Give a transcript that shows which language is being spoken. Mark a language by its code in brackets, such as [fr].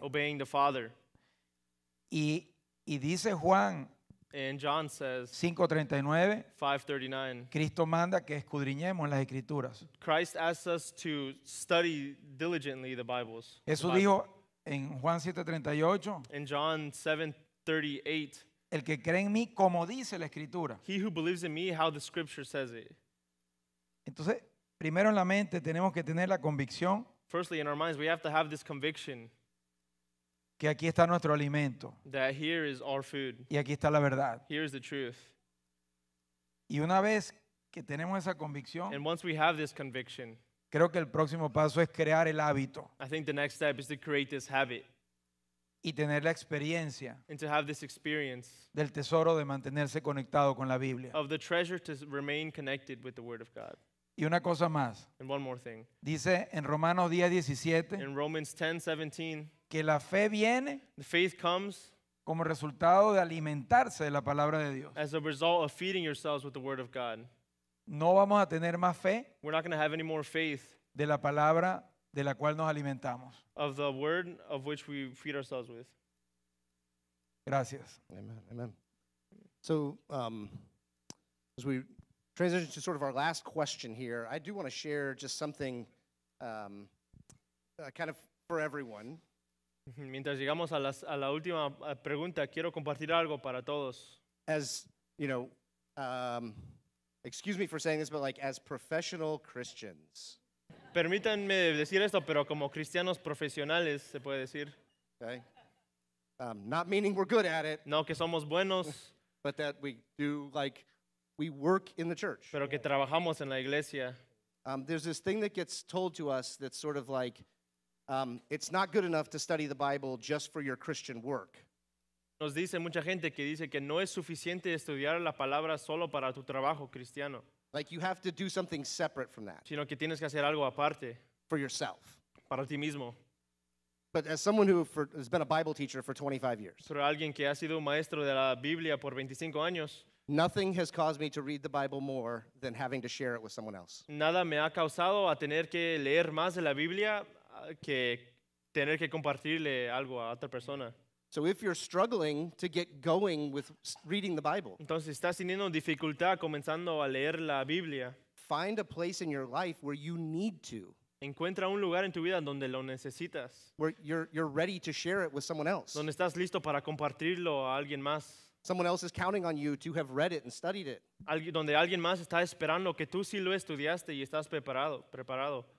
[en] Obeying the Father. [es] Y dice Juan. [en] And John says. [es] 5:39. [en] 5:39. [es] Cristo manda que escudriñemos las escrituras. [en] Christ asks us to study diligently the Bibles. [es] Jesús dijo. En Juan 7:38. [en] In John 7:38. [es] El que cree en mí, como dice la Escritura. [en] He who believes in me, how the Scripture says it. [es] Entonces, primero en la mente tenemos que tener la convicción. [en] Firstly, in our minds, we have to have this conviction. [es] Que aquí está nuestro alimento. [en] That here is our food. [es] Y aquí está la verdad. [en] Here is the truth. [es] Y una vez que tenemos esa convicción, [en] and once we have this conviction, [es] creo que el próximo paso es crear el hábito. [en] I think the next step is to create this habit. [es] Y tener la experiencia, [en] and to have this experience, [es] del tesoro de mantenerse conectado con la Biblia. [en] Of the treasure to remain connected with the Word of God. [es] Y una cosa más. [en] And one more thing. [es] Dice en Romanos 10:17. [en] In Romans 10:17. [es] Que la fe viene. [en] The faith comes. [es] Como resultado de alimentarse de la palabra de Dios. [en] As a result of feeding yourselves with the Word of God. [es] No vamos a tener más fe. [en] We're not going to have any more faith. [es] De la palabra de la cual nos alimentamos. [en] Of the Word of which we feed ourselves with. [es] Gracias. [en] Amen. Amen. So, as we transition to sort of our last question here, I do want to share just something kind of for everyone. [es] Mientras llegamos a la última pregunta, quiero compartir algo para todos. [en] As, you know, excuse me for saying this, but like as professional Christians. [es] Permítanme decir esto, pero como cristianos profesionales, se puede decir. [en] Okay. Not meaning we're good at it. [es] No, que somos buenos. [en] But that we do, like, we work in the church. [es] Pero que trabajamos en la iglesia. [en] There's this thing that gets told to us that's sort of like, it's not good enough to study the Bible just for your Christian work. [es] Nos dice mucha gente que dice que no es suficiente estudiar la palabra solo para tu trabajo cristiano. [en] Like you have to do something separate from that. [es] Sino que tienes que hacer algo aparte. [en] For yourself. [es] Para ti mismo. [en] But as someone who has been a Bible teacher for 25 years. [es] Pero alguien que ha sido maestro de la Biblia por 25 años. [en] Nothing has caused me to read the Bible more than having to share it with someone else. [es] Nada me ha causado a tener que leer más de la Biblia que tener que compartirle algo a otra persona. [en] So if you're struggling to get going with reading the Bible, [es] entonces estás teniendo dificultad comenzando a leer la Biblia, [en] find a place in your life where you need to. [es] Encuentra un lugar en tu vida donde lo necesitas. [en] Where you're ready to share it with someone else. [es] Donde estás listo para compartirlo a alguien más. [en] Someone else is counting on you to have read it and studied it. [es] Donde alguien más está esperando que tú sí lo estudiaste y estás preparado.